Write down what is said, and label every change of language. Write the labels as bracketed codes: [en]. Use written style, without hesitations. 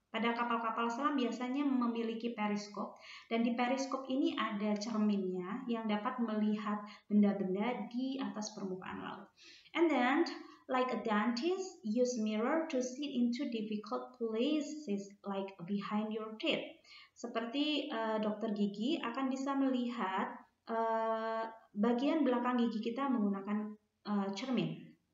[id] Pada kapal-kapal selam biasanya memiliki periskop, dan di periskop ini ada cerminnya yang dapat melihat benda-benda di atas permukaan laut. [en] And then, like a dentist, use mirror to see into difficult places like behind your teeth. [id] Seperti dokter gigi akan bisa melihat bagian belakang gigi kita menggunakan cermin.